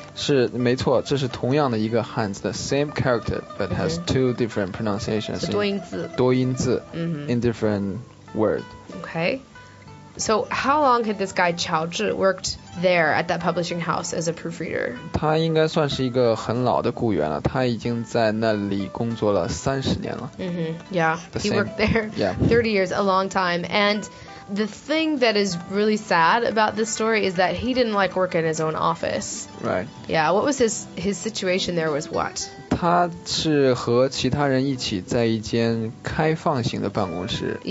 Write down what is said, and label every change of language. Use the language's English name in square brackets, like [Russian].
[Chinese] 是,没错,这是同样的一个汉字, [English] the same character, but has two different pronunciations. [Chinese] 是多音字。 [English] 多音字, in different words. Okay. So how long had this guy, 乔治, worked... there at that publishing house as a proofreader. [Chinese] 他应该算是一个很老的雇员了。他已经在那里工作了30年了。 [English] Mm-hmm. Yeah, he worked there 30 years, a long time. And the thing that is really sad about this story is that he didn't like work in his own office. Right. Yeah, what was his situation there was what? [Chinese] 他是和其他人一起在一间开放型的办公室工作。